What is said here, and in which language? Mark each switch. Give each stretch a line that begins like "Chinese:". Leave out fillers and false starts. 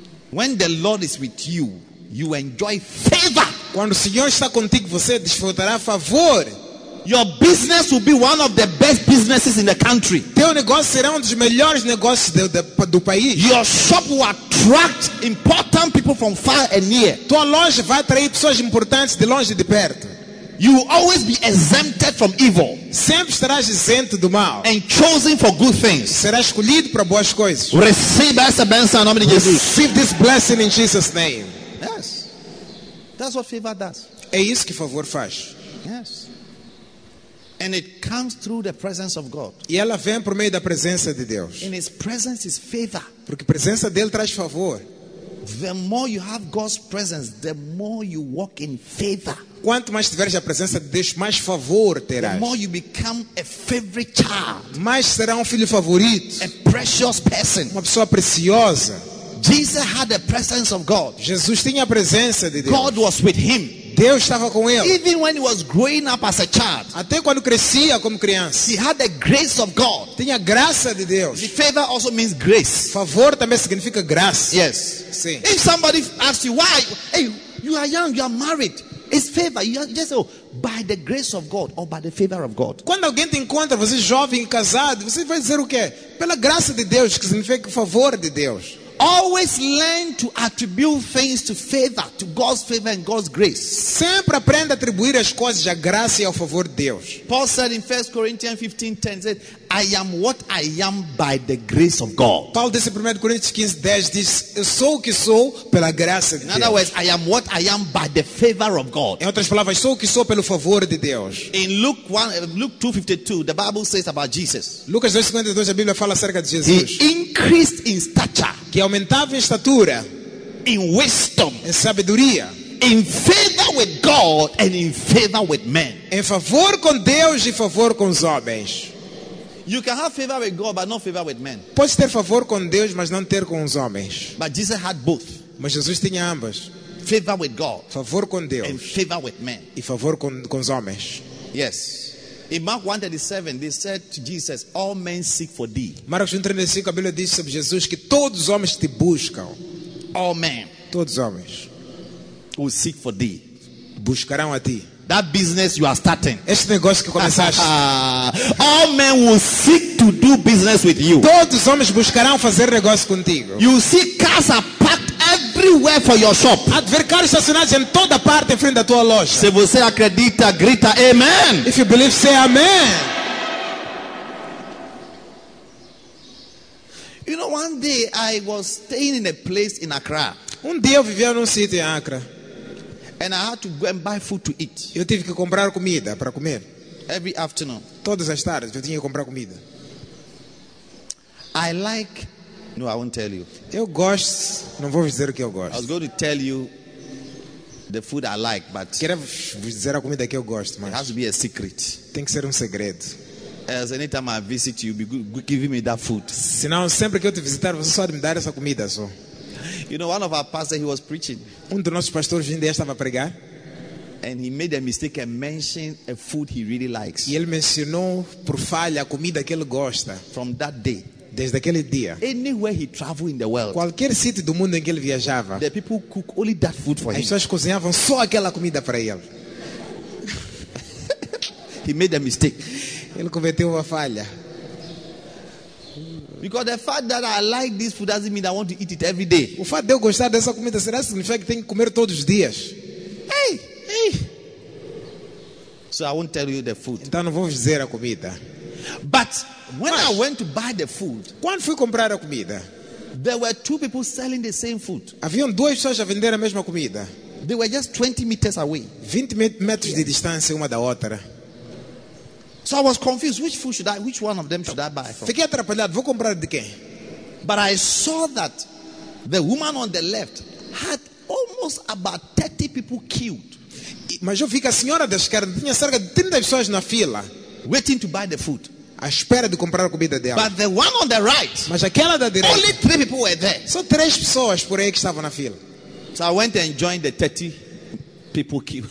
English: When the Lord is with you, you enjoy favor.
Portuguese: Quando o Senhor está contigo, você desfrutará favor.
English: Your business will be one of the best businesses in the country.
Portuguese: Teu negócio será um dos melhores negócios do país.
English: Your shop will attract important people from far and near.
Portuguese: Tua loja vai atrair pessoas importantes de longe e de perto.
English: You will always be exempted from evil.
Portuguese: Sempre estarás isento do mal.
English: And chosen for good things.
Portuguese: Serás escolhido para boas coisas. Receive essa bênção em nome de Jesus.
English: Receive this blessing in Jesus' name. Yes. That's what favor does.
Portuguese: É isso que favor faz.
English: Yes. And it comes through the presence of God.
Portuguese: E ela vem por meio da presença de Deus.
English: In his presence is favor.
Portuguese: Porque a presença dele traz favor.
English: The more you have God's presence, the more you walk in favor.
Portuguese: Quanto mais tiveres a presença de Deus, mais favor terás.
English: The more you become a favorite child.
Portuguese: Mais será um filho favorito.
English: A precious person.
Portuguese: Uma pessoa preciosa.
English: Jesus had the presence of God.
Portuguese: Jesus tinha a presença de Deus.
English: God was with him.
Portuguese: Deus estava com ele.
English: Even when he was growing up as a child,
Portuguese: até quando crescia como criança,
English: he had the grace of God.
Portuguese: Tinha a graça de Deus.
English: The favor also means grace.
Portuguese: Favor também significa graça.
English: Yes.
Portuguese: Sim.
English: If somebody asks you why, hey, you are young, you are married, it's favor. You just say, oh, by the grace of God or by the favor of God.
Portuguese: Quando alguém te encontra, você jovem, casado, você vai dizer o quê? Pela graça de Deus, que significa favor de Deus.
English: Always learn to attribute things to favor, to God's favor and God's grace.
Portuguese: Sempre aprenda a atribuir as coisas à graça e ao favor de Deus.
English: Paul said in 1 Corinthians 15:10, said, I am what I am by the grace of God.
Portuguese: Paulo disse em 1 Coríntios 15, 10, diz, eu sou o que sou pela graça de Deus.
English: In other words, I am what I am by the favor of God.
Portuguese: Em outras palavras, sou o que sou pelo favor de Deus.
English: In Luke 2:52, the Bible says about Jesus.
Portuguese: Lucas 2:52, a Bíblia fala acerca de Jesus.
English: He increased in stature.
Portuguese: Que aumentava em estatura.
English: In wisdom.
Portuguese: Em sabedoria.
English: In favor with God and in favor with men.
Portuguese: Em favor com Deus e favor com os homens.
English: You can have favor with God but not favor with men.
Portuguese: Pode ter favor com Deus, mas não ter com os homens.
English: But Jesus had both.
Portuguese: Mas Jesus tinha ambas.
English: Favor with God.
Portuguese: Favor com Deus.
English: And favor with men.
Portuguese: E favor com os homens.
English: Yes. In Mark 1:37, they said to Jesus, all men seek for thee.
Portuguese: Marcos 1:35, a Bíblia diz sobre Jesus que todos os homens te buscam.
English: All men.
Portuguese: Todos os homens.
English: Who seek for thee.
Portuguese: Buscarão a ti.
English: That business you are starting.
Portuguese: Este negócio que começaste.
English: All men will seek to do business with you.
Portuguese: Todos os homens buscarão fazer negócio contigo.
English: You see cars are parked everywhere for your shop.
Portuguese: Adver carros estacionados em toda parte em frente da tua loja. Se você acredita, grita amen.
English: If you believe, say amen. You know, one day I was staying in a place in Accra.
Portuguese: Um dia eu vivia num sítio em Accra.
English: And I had to go and buy food to eat.
Portuguese: Eu tive que comprar comida para comer.
English: Every afternoon.
Portuguese: Todas as tardes eu tinha que comprar comida.
English: I like. No, I won't tell you.
Portuguese: Eu gosto. Não vou dizer o que eu gosto.
English: I was going to tell you the food I like, but.
Portuguese: Queria dizer a comida que eu gosto, mas.
English: It has to be a secret.
Portuguese: Tem que ser segredo.
English: As anytime I visit you, you'll be giving me that food.
Portuguese: Senão, sempre que eu te visitar, você só me dar essa comida só.
English: You know, one of our pastors, he was preaching.
Portuguese: Um dos nossos pastores vindo estava a pregar.
English: And he made a mistake and mentioned a food he really likes.
Portuguese: E ele mencionou por falha a comida que ele gosta.
English: From that day.
Portuguese: Desde aquele dia.
English: Anywhere he traveled in the world.
Portuguese: Qualquer sítio do mundo em que ele viajava.
English: The people cook only that food for him.
Portuguese: As pessoas cozinhavam só aquela comida para ele.
English: He made a mistake.
Portuguese: Ele cometeu uma falha.
English: Because the fact that I like this food doesn't mean I want to eat it every day.
Portuguese: O fato de eu gostar dessa comida será significa que tenho que comer todos os dias.
English: Hey, hey. So I won't tell you the food.
Portuguese: Então não vou dizer a comida.
English: But when I went to buy the food,
Portuguese: quando fui comprar a comida,
English: there were two people selling the same food.
Portuguese: Haviam duas pessoas a vender a mesma comida.
English: They were just 20 meters away.
Portuguese: 20 metros de distância uma da outra.
English: So I was confused, which food should I, which one of them should I buy from?
Portuguese: Fiquei atrapalhado, vou comprar de quem?
English: But I saw that the woman on the left had almost about 30 people killed.
Portuguese: Mas eu vi que a senhora da esquerda tinha cerca de 30 pessoas na fila.
English: Waiting to buy the food.
Portuguese: À espera de comprar a comida dela.
English: But the one on the right.
Portuguese: Mas aquela da direita.
English: Only 3 people were there.
Portuguese: Só 3 pessoas por aí que estavam na fila.
English: So I went and joined the 30 people queue.